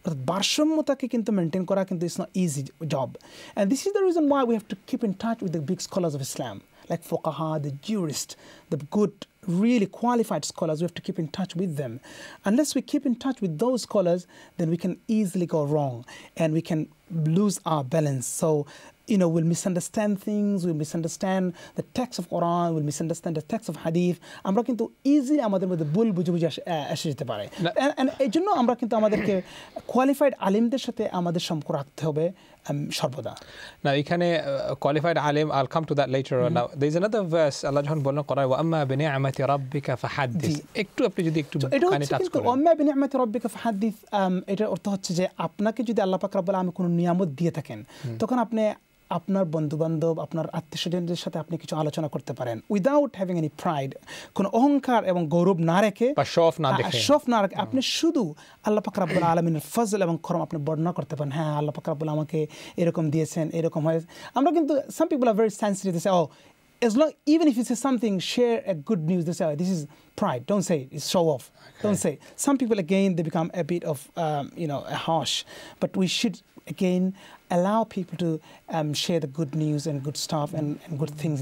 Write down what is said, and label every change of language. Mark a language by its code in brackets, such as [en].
[bn] ভারসাম্যতাকে কিন্তু মেনটেন করা কিন্তু [en] It's not easy job, and this is the reason why we have to keep in touch with the big scholars of Islam like ফোকাহা, the jurist, the good really qualified scholars, we have to keep in touch with them. Unless we keep in touch with those scholars, then we can easily go wrong and we can lose our balance. So we'll misunderstand things, we'll misunderstand the text of Quran, we'll misunderstand the text of Hadith. [bn] আমরা কিন্তু easily আমাদের মধ্যে ভুল বুঝেবুঝে এসে যেতে পারে, and এই জন্য আমরা কিন্তু আমাদেরকে কোয়ালিফাইড আলিমদের সাথে আমাদের সম্পর্ক রাখতে হবে সর্বদা. না এখানে qualified Alim, [en] I'll come to that later. Now there is another verse, [bn] আল্লাহ যখন বললেন করা [ar] ওয়া আম্মা বি নি'মাতি রাব্বিকা ফাহাদ্দিস, [bn] একটু আপনি যদি একটু এখানে টাচ করেন [ar] ওয়া আম্মা বি নি'মাতি রাব্বিকা ফাহাদ্দিস, [bn] এটা অর্থ হচ্ছে যে আপনাকে যদি আল্লাহ পাক রাব্বুল আলামিন কোনো নিয়ামত দিয়ে থাকেন, তখন আপনি আপনার বন্ধুবান্ধব, আপনার আত্মীয়স্বজনদের সাথে আপনি কিছু আলোচনা করতে পারেন [en] without having any pride, [bn] কোনো অহংকার এবং গৌরব না রেখে, শফ না দেখে, শফ না রেখে আপনি শুধু আল্লাহ পাক রাব্বুল আলামিনের ফজল এবং করম আপনি বর্ণনা করতে পারেন. হ্যাঁ আল্লাহ পাক রাব্বুল আমাকে এরকম দিয়েছেন, এরকম হয়েছে. আমরা কিন্তু [en] Some people are very sensitive, they say oh as long even if you say something, share a good news, they say, oh, this is pride, don't say it, it's show off. Okay. Don't say it. Some people again they become a bit of harsh, but we should again allow people to share the good news and good stuff and good things